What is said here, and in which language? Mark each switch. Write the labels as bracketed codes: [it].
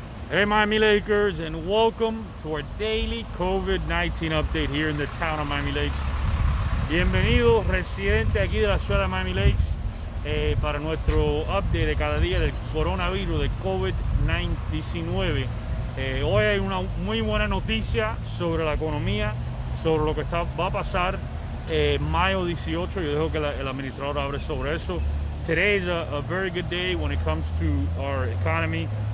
[en] Hey, Miami Lakers, and welcome to our daily COVID-19 update here in the town of Miami Lakes. [es] Bienvenido, residente aquí de la ciudad de Miami Lakes, para nuestro update de cada día del coronavirus, de COVID-19. Hoy hay una muy buena noticia sobre la economía, sobre lo que va a pasar mayo 18. Yo dejo que el administrador hable sobre eso. [en] Today is a very good day when it comes to our economy.